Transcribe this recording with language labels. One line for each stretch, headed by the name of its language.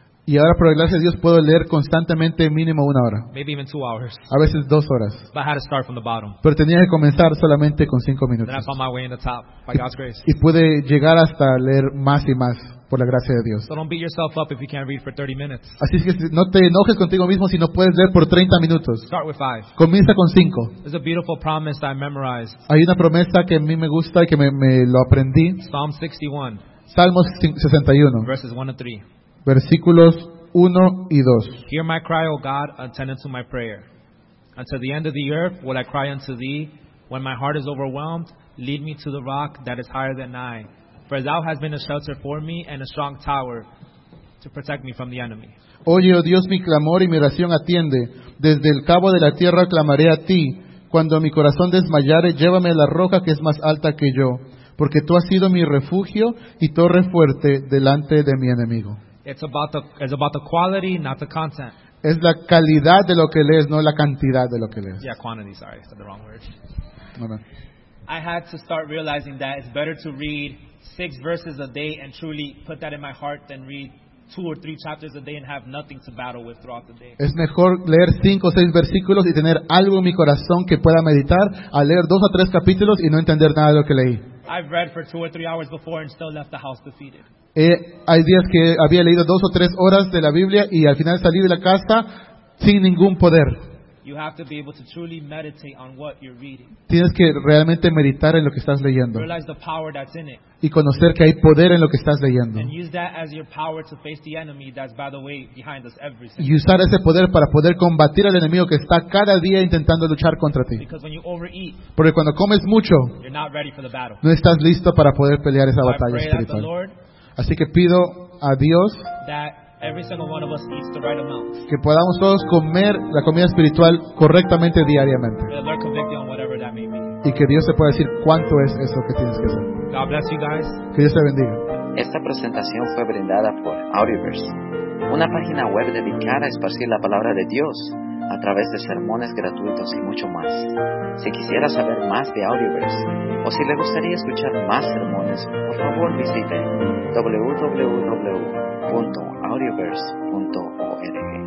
Spanish: Y ahora, por gracias a Dios, puedo leer constantemente mínimo una hora.
English: Maybe even 2 hours.
Spanish: A veces 2 horas.
English: But I had to start from the bottom.
Spanish: Pero tenía que comenzar solamente con 5 minutos.
English: Then I found my way in the top, by God's grace.
Spanish: Y pude llegar hasta leer más y más por la gracia de Dios.
English: So don't beat yourself up if you can't read for 30 minutes.
Spanish: Así que no te enojes contigo mismo si no puedes leer por 30 minutos.
English: Start with 5.
Spanish: Comienza con 5.
English: There's a beautiful promise that I memorized.
Spanish: Hay una promesa que a mí me gusta y que me lo aprendí.
English: Psalm 61.
Spanish: Salmos 61.
English: Verses 1 and 3.
Spanish: Versículos 1 y 2.
English: Hear my cry, O God, attend unto my prayer. Until the end of the earth will I cry unto thee. When my heart is overwhelmed, lead me to the rock that is higher than I. For thou hast been a shelter for me and a strong tower to protect me from the enemy.
Spanish: Oye, oh Dios, mi clamor y mi oración atiende. Desde el cabo de la tierra clamaré a ti. Cuando mi corazón desmayare, llévame a la roca que es más alta que yo. Porque tú has sido mi refugio y torre fuerte delante de mi enemigo.
English: It's about the quality, not the content.
Spanish: Es la calidad de lo que lees, no la cantidad de lo que lees.
English: Yeah, quantity, sorry, I said the wrong word. Amen. I had to start realizing that it's better to read 6 verses a day and truly put that in my heart than read 2 or 3 chapters a day and have nothing to battle with throughout the day.
Spanish: Es mejor leer 5 o 6 versículos y tener algo en mi corazón que pueda meditar a leer 2 o 3 capítulos y no entender nada de lo que leí.
English: I've read for 2 or 3 hours before and still left the house defeated.
Spanish: Hay días que había leído 2 o 3 horas de la Biblia y al final salí de la casa sin ningún poder.
English: You have to be able to truly meditate on what you're reading.
Spanish: Tienes que realmente meditar en lo que estás leyendo.
English: Realize the power that's in it.
Spanish: Y conocer que hay poder en lo que estás leyendo.
English: And use that as your power to face the enemy that's, by the way, behind us every single
Spanish: day. Y usar ese poder para poder combatir al enemigo que está cada día intentando luchar contra ti.
English: Because when you overeat,
Spanish: porque cuando comes mucho,
English: you're not ready for the battle.
Spanish: No estás listo para poder pelear esa batalla espiritual.
English: I pray that the Lord,
Spanish: así que pido a Dios
English: that every single one of us eats the right amount.
Spanish: Que podamos todos comer la comida espiritual correctamente diariamente.
English: The Lord convict you on whatever that may be.
Spanish: Y que Dios te pueda decir cuánto es eso que tienes que hacer.
English: God bless you guys.
Spanish: Que Dios te bendiga. Esta presentación fue brindada por Audioverse, una página web dedicada a esparcir la palabra de Dios a través de sermones gratuitos y mucho más. Si quisiera saber más de Audioverse o si le gustaría escuchar más sermones, por favor visite www.audioverse.org.